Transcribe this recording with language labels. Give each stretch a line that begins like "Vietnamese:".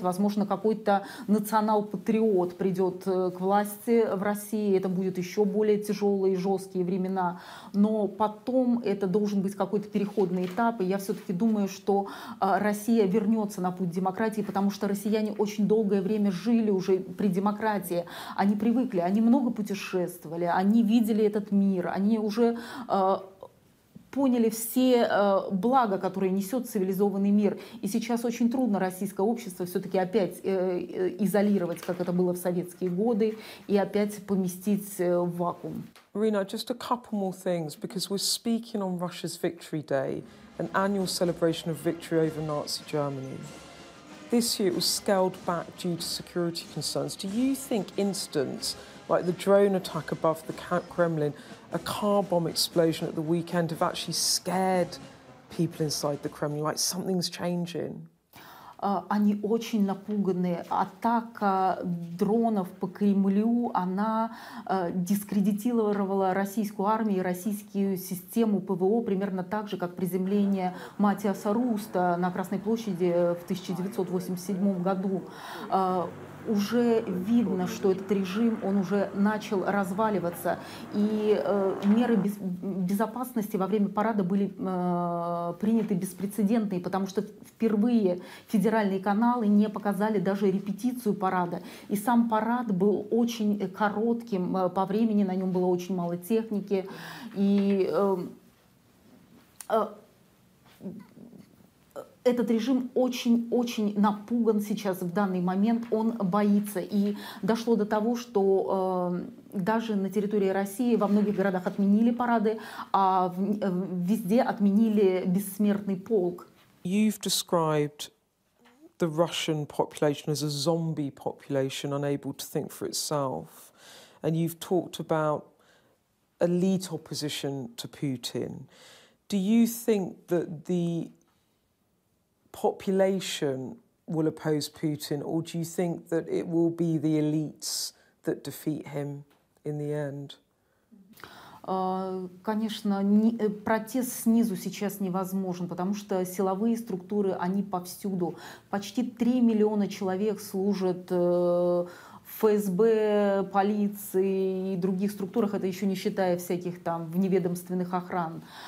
Russian: Возможно, какой-то национал-патриот придет к власти в России, это будут еще более тяжелые и жесткие времена, но потом это должен быть какой-то переходный этап, и я все-таки думаю, что Россия вернется на путь демократии, потому что россияне очень долгое время жили уже при демократии, они привыкли, они много путешествовали, они видели этот мир, они уже... поняли все блага, которые несет цивилизованный мир. И сейчас очень трудно российское общество все-таки опять изолировать, как это было в советские годы, и опять поместить в вакуум.
English: Марина, just a couple more things, because we're speaking on Russia's Victory Day, an annual celebration of victory over Nazi Germany. This year it was scaled back due to security concerns. Do you think incidents like the drone attack above the Kremlin, a car bomb explosion at the weekend, have actually scared people inside the Kremlin? Like something's changing.
Russian: Они очень напуганы. Атака дронов по Кремлю, она дискредитировала российскую армию и российскую систему ПВО примерно так же, как приземление Матиаса Руста на Красной площади в 1987 году. Уже видно, что этот режим, он уже начал разваливаться. И меры безопасности во время парада были приняты беспрецедентные, потому что впервые федеральные каналы не показали даже репетицию парада. И сам парад был очень коротким по времени, на нем было очень мало техники. И этот режим очень-очень напуган сейчас в данный момент, он боится. И дошло до того, что даже на территории России во многих городах отменили парады, а везде отменили бессмертный полк.
English: You've described the Russian population as a zombie population, unable to think for itself. And you've talked about elite opposition to Putin. Do you think that the population will oppose Putin, or do you think that it will be the elites that defeat him in the end?
Russian: Конечно, протест снизу сейчас невозможен, потому что силовые структуры, они повсюду. Почти 3 миллиона человек служат ФСБ, полиции и других структурах, это еще не считая всяких там вневедомственных охран.